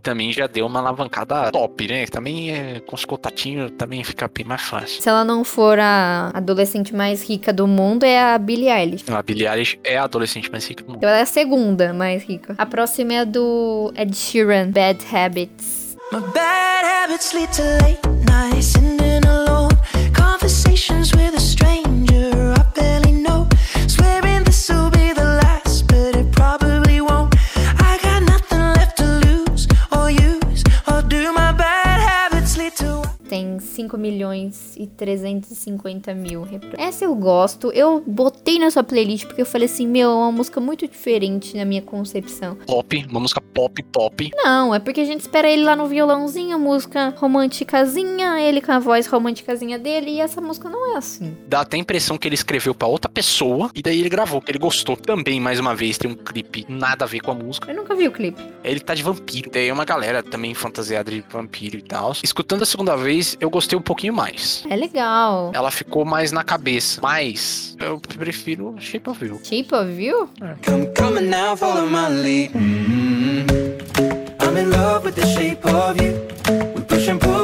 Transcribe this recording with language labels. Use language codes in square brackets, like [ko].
[pt] Também já deu uma alavancada top, né? Também é com os cotatinhos. Também fica bem mais fácil. Se ela não for a adolescente mais rica do mundo, é a Billie Eilish. A Billie Eilish é a adolescente mais rica do mundo. Então ela é a segunda mais rica. A próxima é a do Ed Sheeran, Bad Habits. [en] My bad habits lead to late nights and then alone. Conversations with a stranger I barely know. Swearing this will be the last, but it probably won't. I got nothing left to lose or use. I'll do my bad habits lead to... [pt] Tem 5 5.350.000 reproduções. Essa eu gosto. Eu botei na sua playlist porque eu falei assim, meu, é uma música muito diferente na minha concepção. Pop, uma música pop, pop. Não, é porque a gente espera ele lá no violãozinho, música românticazinha, ele com a voz românticazinha dele, e essa música não é assim. Dá até a impressão que ele escreveu pra outra pessoa, e daí ele gravou, que ele gostou. Também, mais uma vez, tem um clipe nada a ver com a música. Eu nunca vi o clipe. Ele tá de vampiro. Tem uma galera também fantasiada de vampiro e tal. Escutando a segunda vez, eu gostei um pouquinho mais. É legal. Ela ficou mais na cabeça. Mas eu prefiro Shape of You. Shape of You? É. [en] Come coming now, follow my lead. I'm in love with the shape of you.